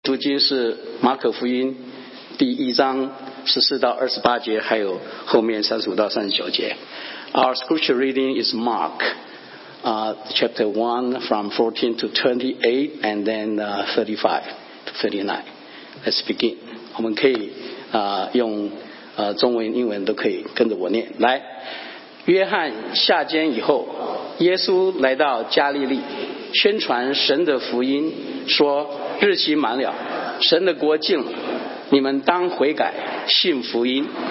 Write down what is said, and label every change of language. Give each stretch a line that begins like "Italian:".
Chinese: 读经是马可福音第一章十四到二十八节，还有后面三十五到三十九节。
English: Our scripture reading is Mark, chapter 1 from 14 to 28 and then 35 to 39. Let's begin.
Chinese: 我们可以用中文英文都可以跟着我念。来，约翰下监以后，耶稣来到加利利，宣传神的福音，说日期满了，神的国近了，你们当悔改，信福音。